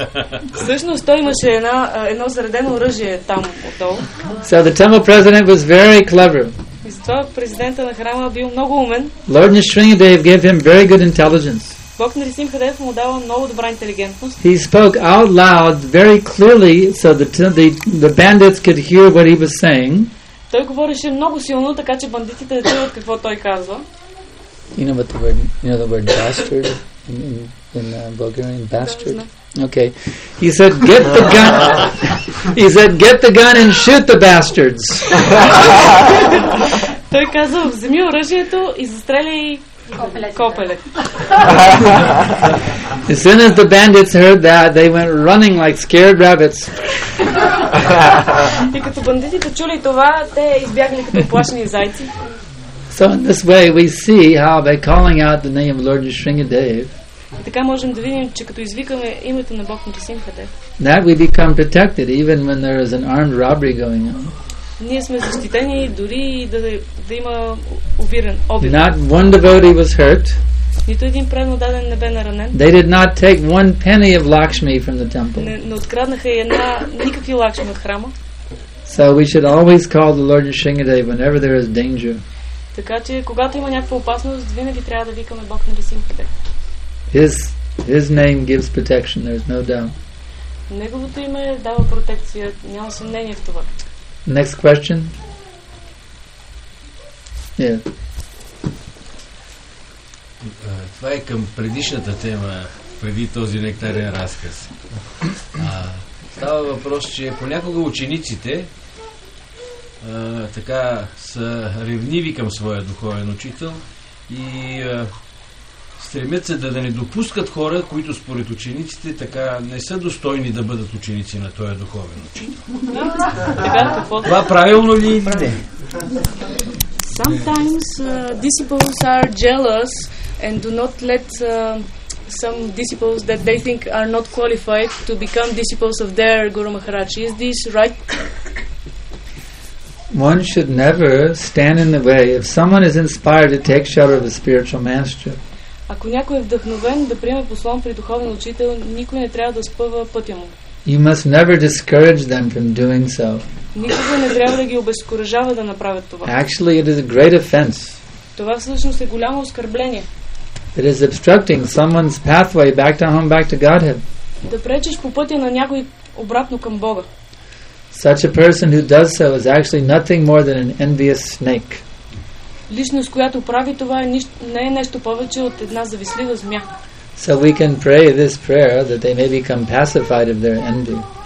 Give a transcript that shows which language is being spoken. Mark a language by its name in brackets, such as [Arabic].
[English] So the temple president was very clever. Lord Nrisimhadev gave him very good intelligence. He spoke out loud, very clearly, so the bandits could hear what he was saying. [Bulgarian] Той говореше много силно, така че бандитите да чуват какво той казва. [English] You know what the word, you know the word bastard in Bulgarian? Bastard? Okay. He said, get the gun. He said, get the gun and shoot the bastards. [Bulgarian] Той казва, вземи оръжието и застреляй копеле. [English] As soon as the bandits heard that, they went running like scared rabbits. [Bulgarian] И като бандитите чули това, те избягали като плашени зайци. [English] So in this way we see how by calling out the name of Lord Nrisimhadev, [Bulgarian] така можем да видим, че като извикаме името на Бог Нрисимхадев, [English] that we become protected even when there is an armed robbery going on. [Bulgarian] Ние сме защитени дори да има обирен обир. [English] Not one devotee was hurt. [Bulgarian] Нито един преднодаден не бе наранен. [English] They did not take one penny of Lakshmi from the temple. [Bulgarian] Не откраднаха и една никакви лакшми от храма. [English] So we should always call the Lord Nrisimhadev whenever there is danger. [Bulgarian] Така че когато има някаква опасност, винаги трябва да викаме Бог Нрисимхадев. [English] His name gives protection, there's no doubt. [Bulgarian] Неговото име дава протекция, няма съмнение в това. [English] Next question. Yeah. [Bulgarian] Това е към предишната тема, преди този нектарен разказ. Става въпрос, че понякога учениците така са ревниви към своя духовен учител и стремят се да не допускат хора, които според учениците така не са достойни да бъдат ученици на този духовен учител. Това правилно ли? [English] Sometimes disciples are jealous and do not let some disciples that they think are not qualified to become disciples of their Guru Maharaj. Is this right? One should never stand in the way. If someone is inspired to take shelter of a spiritual master, [Bulgarian] ако някой е вдъхновен да приеме послан при духовен учител, никой не трябва да спъва пътя му. [English] You must never discourage them from doing so. [Bulgarian] Никога не трябва да ги обезкуражава да направят това. [English] Actually, it is a great offense. [Bulgarian] Това всъщност е голямо оскърбление. [English] It is obstructing someone's pathway back to home, back to Godhead. [Bulgarian] Да пречиш по пътя на някой обратно към Бога. [English] Such a person who does so is actually nothing more than an envious snake. [Bulgarian] Личност, която прави това, не е нещо повече от една завистлива змия. [English] So we can pray this prayer that they may become pacified of their envy.